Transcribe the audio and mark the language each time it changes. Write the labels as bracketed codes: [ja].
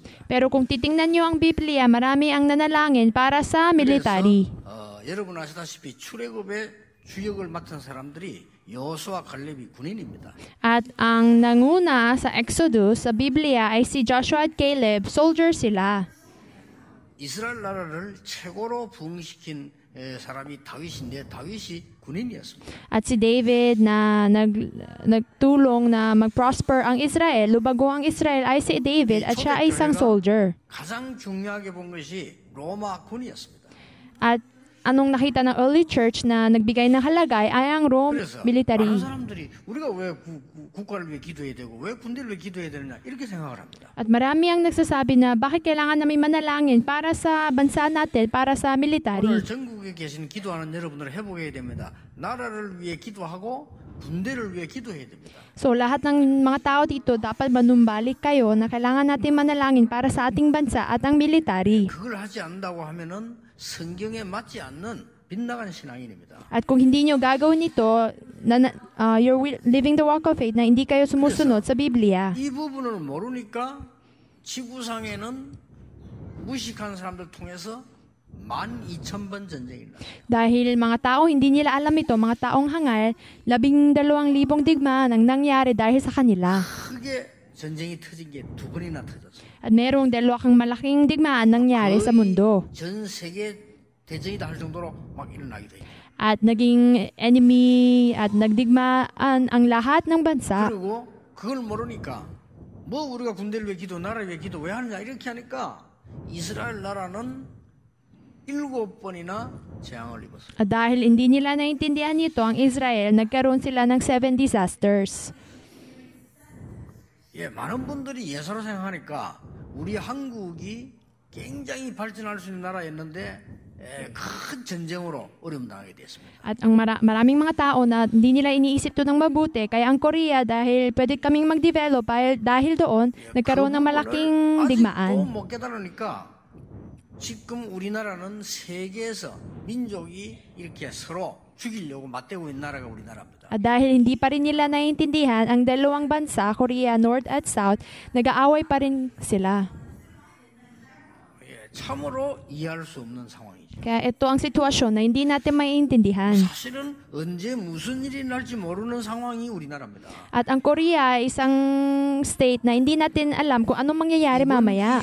[tl] Pero kung titingnan niyo ang Biblia, marami ang nananalangin para sa military. [ko] 여러분 아시다시피 출애굽의 주역을 맡은 사람들이 여호수아, 갈렙이 군인입니다. [tl] At ang nanguna sa Exodus sa Biblia ay si Joshua at Caleb, soldiers sila. [ko] 이스라엘 나라를 최고로 부흥시킨 사람이 다윗인데 다윗이 [tl] At si David na nagtulong na mag-prosper ang Israel, lubago ang Israel ay si David at siya ay isang soldier. [ko] Kasang 중요하게 본 것이 로마 군이었습니다. [tl] At anong nakita ng early church na nagbigay ng halagay ay ang Rome military. [ko] 그래서 많은 사람들이 우리가 왜 국가를 위해 기도해야 되고 왜 군대를 위해 기도해야 되느냐 이렇게 생각을 합니다. [tl] At marami ang nagsasabi na bakit kailangan namin manalangin para sa bansa natin, para sa military. [ko] 오늘 전국에 계신 기도하는 여러분들을 회복해야 됩니다. 나라를 위해 기도하고 군대를 위해 기도해야 됩니다. [tl] So lahat ng mga tao dito dapat manumbalik kayo na kailangan natin manalangin para sa ating bansa at ang military. [ko] 그걸 하지 않는다고 하면은 성경에 맞지 않는 빗나간 신앙인입니다. [tl] At kung hindi niyo gagawin ito, [en] you're living the walk of faith [tl] na hindi kayo sumusunod sa Biblia. [ko] 이 부분을 모르니까 지구상에는 무식한 사람들 통해서 12,000번 전쟁입니다. [tl] Dahil mga tao hindi nila alam ito, mga taong hangal, 12,000 digmaan ang nangyari dahil sa kanila. [ko] 크게 전쟁이 터진 게 두 번이나 터졌어요. [tl] At merong dalawang malaking digmaan nangyari sa mundo. [ko] 전 세계 대전이다 할 정도로 막 일어나게 돼. [tl] At naging enemy at nagdigmaan ang lahat ng bansa. [ko] 그리고 그걸 모르니까 뭐 우리가 군대를 위해 기도, 나라를 위해 기도 왜 하느냐 이렇게 하니까 이스라엘 나라는 7번이나 재앙을 입었어. [tl] At dahil hindi nila naintindihan ito ang Israel, nagkaroon sila ng 7 disasters. [ko] 예, 많은 분들이 예사로 생각하니까 우리 한국이 굉장히 발전할 수 있는 나라였는데 큰 전쟁으로 어려움 당하게 됐습니다. [tl] At ang maraming mga tao na hindi nila iniisip to ng mabuti, kaya ang Korea dahil pwede kaming mag-develop dahil doon nagkaroon ng malaking digmaan. [ko] 아직도 못 깨달으니까 지금 우리나라는 세계에서 민족이 이렇게 서로 죽이려고 맞대고 있는 나라가 우리나라입니다. [tl] At dahil hindi pa rin nila naiintindihan ang dalawang bansa, Korea, North at South, nag-aaway pa rin sila. [ko] Yeah, 참으로 이해할 수 없는 상황이죠. [tl] Kaya ito ang sitwasyon na hindi natin maiintindihan. [ko] 사실은 언제 무슨 일이 날지 모르는 상황이 우리나라입니다. [tl] At ang Korea ay isang state na hindi natin alam kung anong mangyayari mamaya.